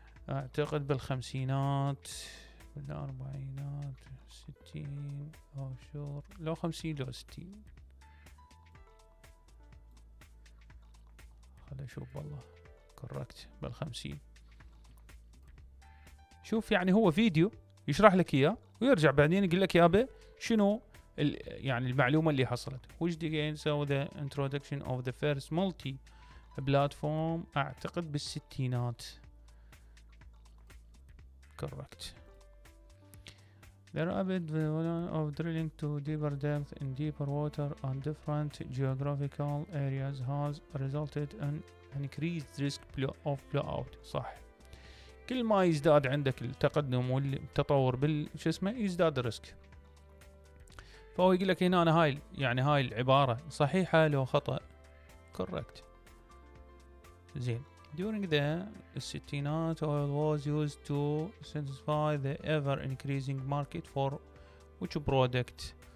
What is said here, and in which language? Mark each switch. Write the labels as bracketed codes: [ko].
[ar] أعتقد بالخمسينات بالأربعينات ستين أو شور لو خمسين لو ستين خلي أشوف والله كوركت بالخمسين. شوف يعني هو فيديو يشرح لك إياه ويرجع بعدين يقول لك يا أبي شنو يعني المعلومة اللي حصلت. [en] Which again so the introduction of the first multi platform [ar] أعتقد بالستينات. [en] Correct. There are a bit of drilling to deeper depth in deeper water on different geographical areas has resulted in increased risk of blowout. [ar] صح. كل ما يزداد عندك التقدم والتطور بالش اسمه يزداد الريسك. فهو يقول لك هنا أنا هاي يعني هاي العبارة صحيحة لو خطأ. [en] Correct. [ar] زين. [en] During the 60s, oil was used to satisfy the ever-increasing market for which product?